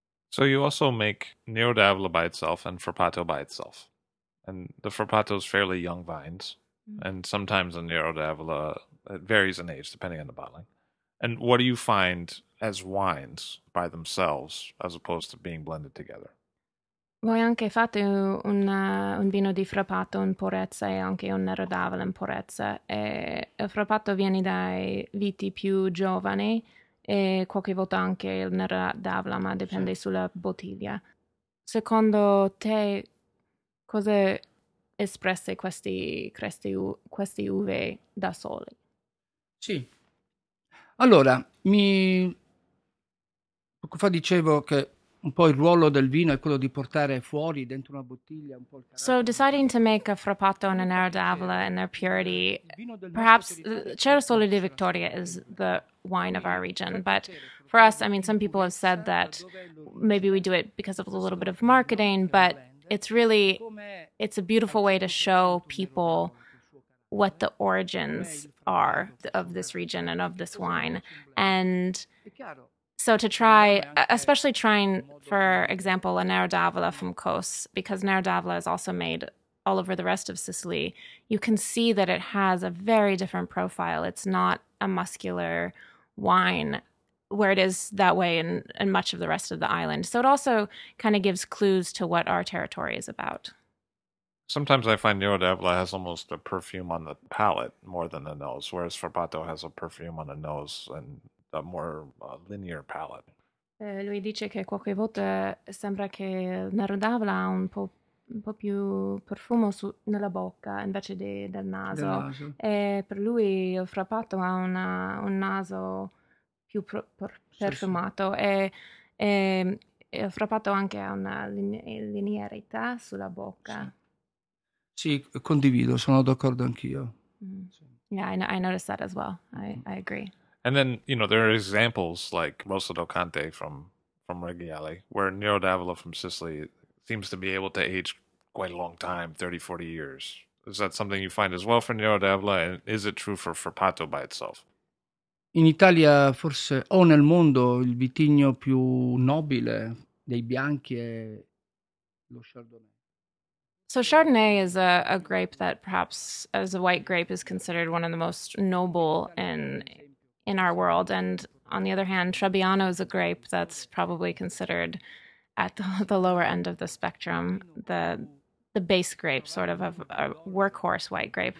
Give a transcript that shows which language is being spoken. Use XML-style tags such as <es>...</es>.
<en>So you also make Nero d'Avola by itself and Frappato by itself. And the Frappato is fairly young vines. Mm-hmm. And sometimes a Nero d'Avola, it varies in age depending on the bottling. And what do you find as wines by themselves as opposed to being blended together?</en> <it>Voi anche fate un vino di Frappato in purezza e anche un Nero d'Avola in purezza. E il Frappato viene dai viti più giovani. E qualche volta anche il Nero d'Avola, ma dipende sulla bottiglia. Secondo te, cosa espresse queste uve da sole? Sì. Allora, poco fa dicevo che un po' il ruolo del vino è quello di portare fuori dentro una bottiglia un po' il carattere.</it> <en>So deciding to make a Frappato and a Nero d'Avola in their purity, perhaps Cerasolo di Vittoria is the wine of our region, but for us, I mean, some people have said that maybe we do it because of a little bit of marketing, but it's a beautiful way to show people what the origins are of this region and of this wine. And so to try, especially trying, for example, a Nero d'Avola from Cos, because Nero d'Avola is also made all over the rest of Sicily, you can see that it has a very different profile. It's not a muscular wine where it is that way in much of the rest of the island. So it also kind of gives clues to what our territory is about. Sometimes I find Nero d'Avola has almost a perfume on the palate more than the nose, whereas Frappato has a perfume on the nose and a more linear palate.</en> <it>Lui dice che qualche volta sembra che Nero d'Avola ha un po' più profumo nella bocca invece del naso. E per lui il Frappato ha un naso più perfumato. E il Frappato anche ha una linearità sulla bocca. Sì, condivido, sono d'accordo anch'io. Mm.</it> <en>Yeah, I noticed that as well. I agree. And then, you know, there are examples like Rosso del Cante from Reggiali, where Nero d'Avola from Sicily seems to be able to age quite a long time, 30, 40 years. Is that something you find as well for Nero d'Avola? And is it true for Frappato by itself?</en> <it>In Italia, forse, o nel mondo, il vitigno più nobile dei bianchi è lo Chardonnay.</it> <en>So Chardonnay is a grape that perhaps as a white grape is considered one of the most noble in our world. And on the other hand, Trebbiano is a grape that's probably considered at the lower end of the spectrum, the base grape, sort of a workhorse white grape.</en>